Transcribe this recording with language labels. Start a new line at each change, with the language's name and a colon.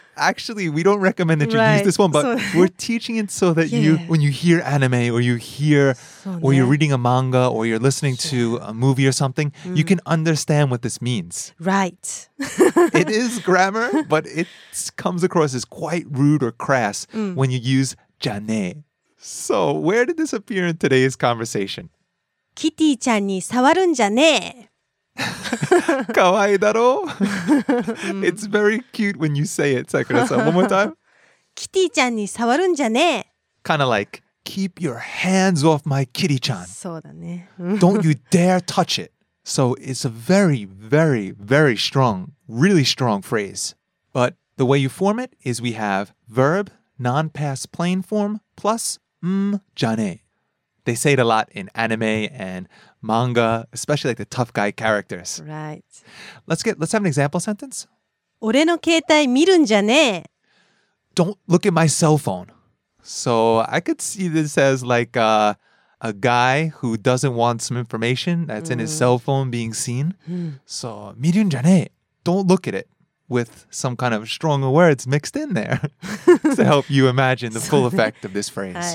English: Actually, we don't recommend that you use this one, but we're teaching it so that you, when you hear anime or you hear, or you're reading a manga or you're listening to a movie or something, you can understand what this means. Right. It is grammar, but it comes across as quite rude or crass when you use じゃね. So where did this appear in today's conversation?
Japanese: キティちゃんに触るんじゃねえ。かわいいだろ?
English: It's very cute when you say it, Sakura-san. One more time.
Japanese: Kitty ちゃんに触るんじゃねえ。
English: Kind of like, keep your hands off my kitty-chan.
Japanese: そうだね。
English: Don't you dare touch it. So it's a very, very, very strong, really strong phrase. But the way you form it is we have verb, non-past plain form, plus じゃねえ。 They say it a lot in anime and manga, especially like the tough guy characters. Right. Let's have an example sentence.
Japanese: 俺の携帯見るんじゃねえ。
English: Don't look at my cell phone. So I could see this as like a guy who doesn't want some information that's in his cell phone being seen. So
Japanese: 見るんじゃねえ。
English: Don't look at it. With some kind of stronger words mixed in there to help you imagine the full effect of this phrase.